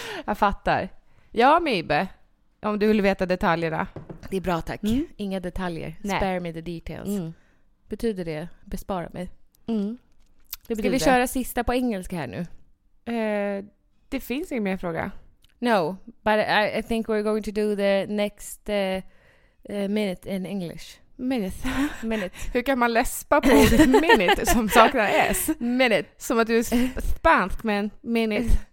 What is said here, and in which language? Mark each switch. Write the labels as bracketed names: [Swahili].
[Swedish] Jag fattar. Ja, Mibbe. Om du vill veta detaljerna. Det är bra, tack. Mm. Inga detaljer. Nej. [English] Spare me the details. [Swedish] Mm. Betyder det? Bespara mig. Mm. Ska vi köra sista på engelska här nu? Det finns ingen mer fråga. [English] No, but I think we're going to do the next minute in English. Minute. Minute. [Swedish] Hur kan man läspa på ordet minute som saknar S? [English] Minute. [Swedish] Som att du är spansk, men minute.